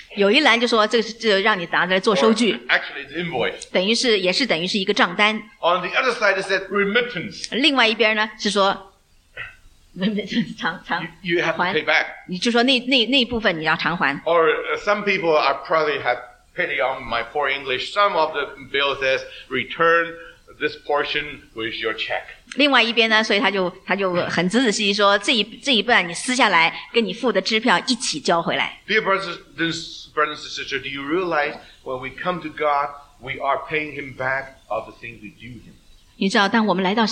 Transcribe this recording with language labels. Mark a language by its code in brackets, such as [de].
[zh] 有一栏就说这个让你拿来做收据， [en] actually it's invoice. [zh] 等于是一个账单。 [en] On the other side it said remittance. [zh] 另外一边呢是说 remittance, [en] you have to pay back. [zh] 你就说那部分你要偿还。 [en] Or some people are probably have pity on my poor English. Some of the bill says return this portion with your check. [zh] 另外一边呢，所以他就很仔仔细细说，这一半你撕下来，跟你付的支票一起交回来。 [en] Dear brothers and sisters, do you realize when we come to God, we are paying Him back of the things we do Him?